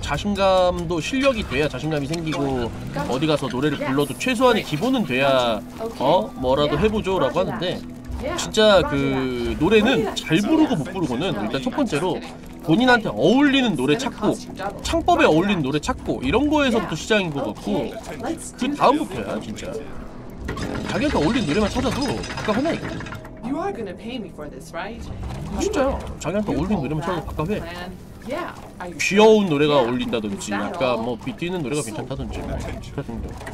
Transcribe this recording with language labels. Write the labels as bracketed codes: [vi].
[ko] 자신감도 실력이 돼야 자신감이 생기고 어디 가서 노래를 불러도 최소한의 기본은 돼야 뭐라도 해보죠 라고 하는데 진짜 그 노래는 잘 부르고 못 부르고는 일단 첫 번째로 본인한테 어울리는 노래 찾고 창법에 어울리는 노래 찾고 이런 거에서부터 시작인 것 같고 그 다음부터야 진짜 자기한테 어울리는 노래만 찾아도 바깥 하나 있거든. [en] You are gonna pay me for this, right? [ko] 진짜요. 자기한테 어울리는 노래만 찾아도 바깥에 귀여운 노래가 어울린다든지 아까 뭐 뛰는 노래가 괜찮다든지 그 정도.